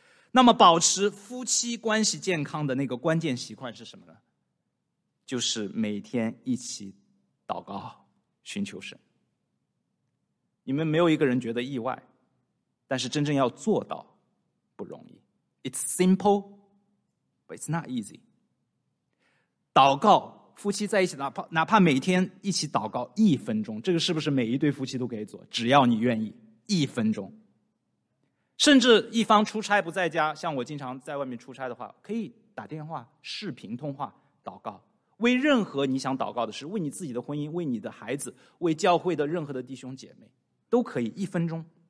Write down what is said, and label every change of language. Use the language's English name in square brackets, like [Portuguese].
[Chinese] 那么保持夫妻关系健康的那个关键习惯是什么呢？就是每天一起祷告寻求神。你们没有一个人觉得意外，但是真正要做到不容易。 [English] It's simple but it's not easy。 [Chinese] 祷告夫妻在一起，哪怕每天一起祷告一分钟，这个是不是每一对夫妻都可以做？只要你愿意，一分钟。甚至一方出差不在家，像我经常在外面出差的话，可以打电话视频通话祷告，为任何你想祷告的事，为你自己的婚姻，为你的孩子，为教会的任何的弟兄姐妹都可以，一分钟。